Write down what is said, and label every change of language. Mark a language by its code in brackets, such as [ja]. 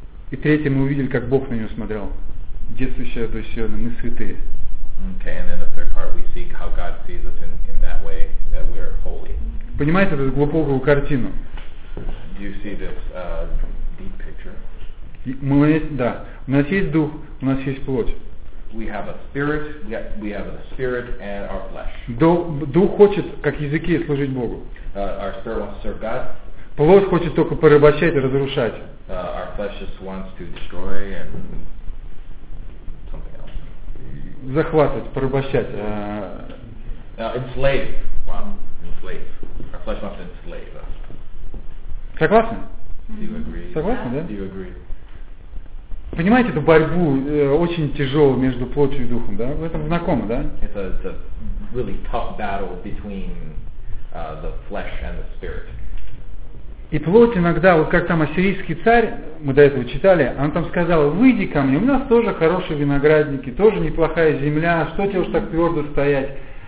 [ru] И третье, мы увидели, как Бог на него смотрел. Действующая до сегодня, мы святые. [en] Okay, and then the third part, we see how God sees us in that way, that we are holy. [ru] Понимаете эту глубокую картину? [en] Do you see this deep picture? [ru] Да. У нас есть дух, у нас есть плоть. [en] We have a spirit. We have a spirit and our flesh. [ru] Дух хочет, как языки, служить Богу. [en] Our spirit wants to serve God. [ru] Плоть хочет только порабощать и разрушать. [en] Our flesh just wants to destroy and something else. [ru] Захватывать, порабощать. [en] Enslave. Wow. Enslave. Our flesh wants to enslave us. [ru] Согласны? [en] Do you agree? [ru] Согласны, да? [en] Do you agree? [ru] Понимаете эту борьбу очень тяжелую между плотью и духом, да? Вы это знакомы, да? [en] It's a really tough battle between the flesh and the spirit. [ru] И плоть иногда, вот как там ассирийский царь, мы до этого читали, он там сказал, выйди ко мне, у нас тоже хорошие виноградники, тоже неплохая земля, что тебе уж так твердо стоять?